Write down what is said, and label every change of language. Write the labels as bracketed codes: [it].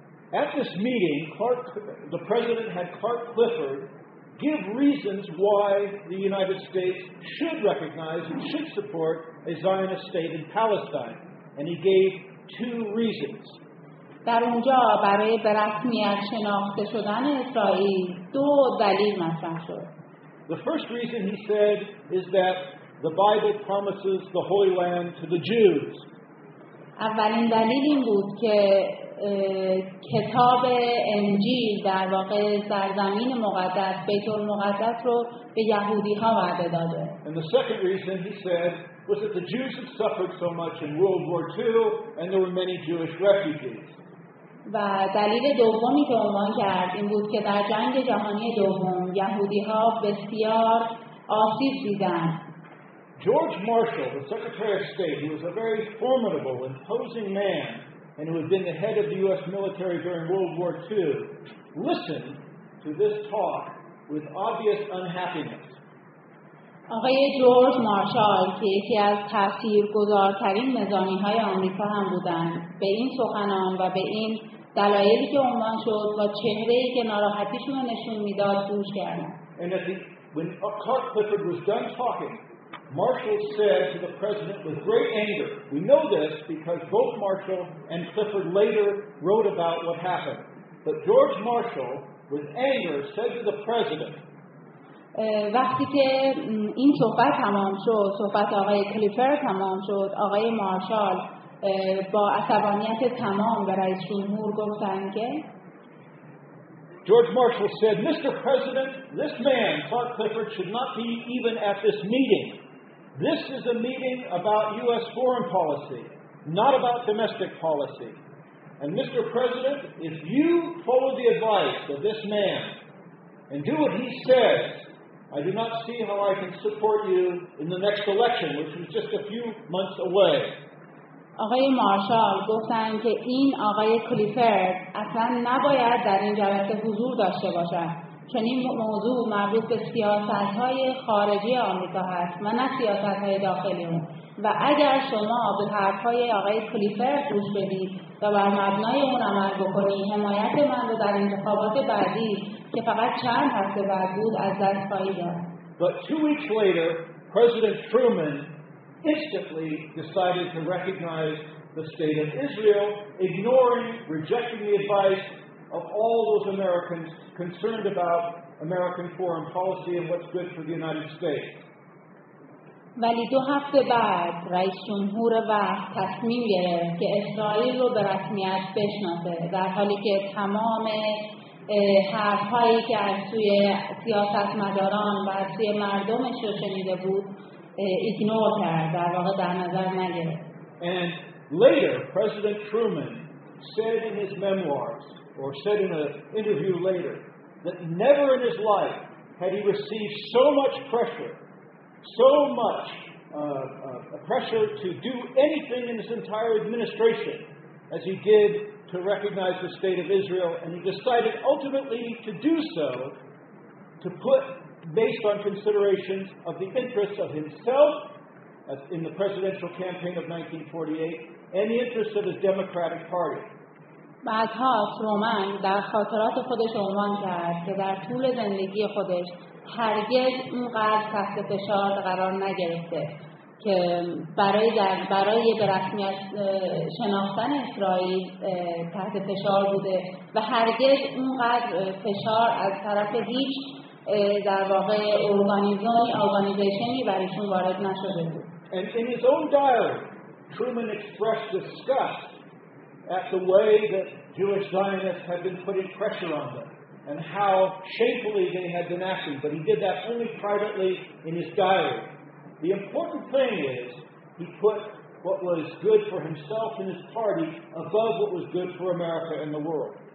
[en] At this meeting, the president had Clark Clifford give reasons why the United States should recognize and should support a Zionist state in Palestine, and he gave two reasons. [fa] در اونجا برای به رسمیت شناخته شدن اسرائیل دو دلیل مطرح شد. [en] The first reason he said is that the Bible promises the Holy Land to the Jews. [fa] اولین دلیل این بود که کتاب انجیل در واقع سرزمین مقدس بیت المقدس رو به یهودی ها وعده داده. [en] And the second reason he said was that the Jews had suffered so much in World War II and there were many Jewish refugees. [fa] و دلیل دومی که عنوان کرد این بود که در جنگ جهانی دوم یهودی ها بسیار آسیب دیدن. [en] George Marshall, the Secretary of State, who was a very formidable, imposing man, and who had been the head of the U.S. military during World War II, listened to this talk with obvious unhappiness. [fa] آقای جورج مارشال که یکی از تاثیرگذارترین نظامی‌های آمریکا هم بودند، به این سخنان و به این دلایلی که عنوان شد و چهره‌ای که ناراحتیشون رو نشون می‌داد، گوش کردند. [en] And when Clark Clifford was done talking, Marshall said to the president with great anger. We know this because both Marshall and Clifford later wrote about what happened. But George Marshall, with anger, said to the president. [fa] وقتی که این صحبت تمام شد، صحبت آقای کلیفر تمام شد، آقای مارشال با عصبانیت تمام به رئیس جمهور گفتن که [en] George Marshall said, "Mr. President, this man, Clark Clifford, should not be even at this meeting. This is a meeting about U.S. foreign policy, not about domestic policy. And Mr. President, if you follow the advice of this man and do what he says, I do not see how I can support you in the next election, which is just a few months away." [fa] آقای مارشال گفتن که این آقای کلیفرد اصلا نباید در این جلسه حضور داشته باشد. چون این موضوع مربوط به سیاست‌های خارجی آمریکا هست و نه سیاست‌های داخلی اون. و اگر شما به حرف‌های آقای کلیفر گوش بدید و بر مبنای اون عمل بکنید، حمایت من رو در انتخابات بعدی که فقط چند هفته بعد بود از دست خواهید داد. [en] But 2 weeks later, President Truman instantly decided to recognize the state of Israel, ignoring, rejecting the advice of all those Americans concerned about American foreign policy and what's good for the United States. [fa] ولی دو هفته بعد رئیس جمهور وقت تصمیم گرفت که اسرائیل رو به رسمیت بشناسه، در حالی که تمام حرفهایی که از توی سیاستمداران و از توی مردمش رو شنیده بود ایگنور کرد، در واقع در نظر نگرفت. [en] And later President Truman said in his memoirs, or said in an interview later, that never in his life had he received so much pressure, so much pressure to do anything in his entire administration as he did to recognize the state of Israel, and he decided ultimately to do so to put, based on considerations of the interests of himself as in the presidential campaign of 1948 and the interests of his Democratic Party. [fa] بعدها فرومن در خاطرات خودش عنوان کرد که در طول زندگی خودش هرگز اونقدر تحت فشار قرار نگرفته که برای به رسمیت شناختن اسرائیل تحت فشار بوده و هرگز اونقدر فشار از طرف هیچ در واقع ارگانیزیشنی برایشون وارد نشده بود. [en] And in his own diary, Truman expressed disgust at the way that Jewish Zionists had been putting pressure on them and how shamefully they had been acting, but he did that only privately in his diary. The important thing is he put what was good for himself and his party above what was good for America and the world.